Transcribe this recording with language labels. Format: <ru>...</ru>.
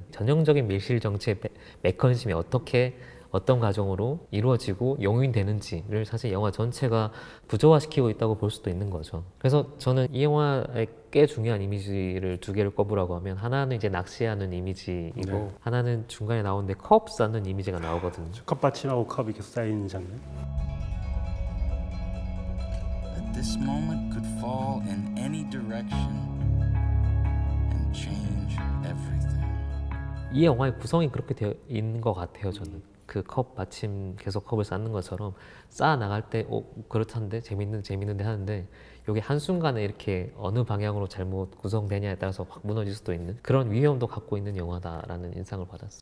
<ko>전형적인 밀실 정치의 메커니즘이 어떻게 어떤 과정으로 이루어지고 용인되는지를 사실 영화 전체가 부조화시키고 있다고 볼 수도 있는 거죠. 그래서 저는 이 영화의 꽤 중요한 이미지를 두 개를 꼽으라고 하면, 하나는 이제 낚시하는 이미지이고 네. 하나는 중간에 나오는데 컵 쌓는 이미지가 나오거든요. 컵 받침하고 컵이 계속 쌓이는 장면.</ko> <en>At this moment could fall in any direction and change everything.</en> <ko>이 영화의 구성이 그렇게 되어 있는 것 같아요. 저는 그 컵 마침 계속 컵을 쌓는 것처럼 쌓아 나갈 때 그렇던데 재밌는데 하는데, 이게 한순간에 이렇게 어느 방향으로 잘못 구성되냐에 따라서 확 무너질 수도 있는 그런 위험도 갖고 있는 영화다라는 인상을 받았어요.</ko>